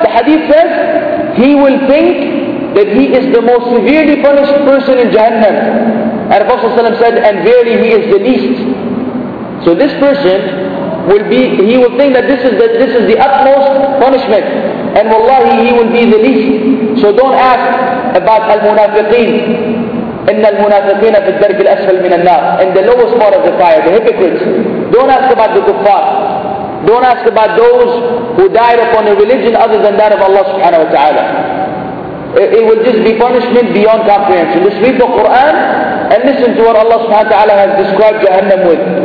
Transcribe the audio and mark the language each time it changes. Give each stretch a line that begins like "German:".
English: The hadith says, he will think that he is the most severely punished person in Jahannam. And Prophet ﷺ said, and verily he is the least. So this person will be, he will think that this is the utmost punishment. And wallahi, he will be the least. So don't ask about al-munafiqeen.
Arabic: إن المنافقين في الدرك الأسفل من النار.
English: In the lowest part of the fire, the hypocrites. Don't ask about the kuffar. Don't ask about those who died upon a religion other than that of Allah subhanahu wa ta'ala. It will just be punishment beyond comprehension. Just read the Quran and listen to what Allah subhanahu wa ta'ala has described Jahannam with.